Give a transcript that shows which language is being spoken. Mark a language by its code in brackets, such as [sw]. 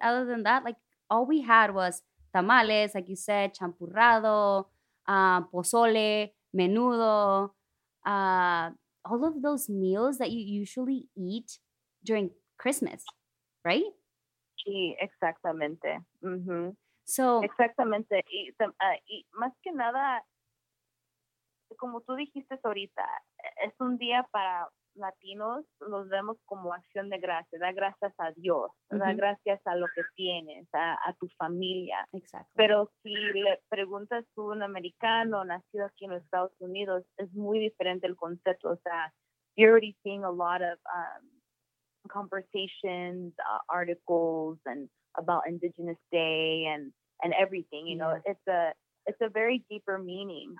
[en] Other than that, like, all we had was tamales, like you said, champurrado, pozole, menudo, all of those meals that you usually eat during Christmas, right? [es] Sí, exactamente. [en] So, [es] exactamente. Y más que nada, como tú dijiste ahorita, es un día para latinos, los vemos como acción de gracias. Da gracias a Dios, da gracias a lo que tienes, a tu familia. Exacto. Pero si le preguntas a un americano nacido aquí en los Estados Unidos, es muy diferente el concepto. O sea, [en] you're already seeing a lot of conversations, articles, and about Indigenous Day and everything, you know, it's a very deeper meaning.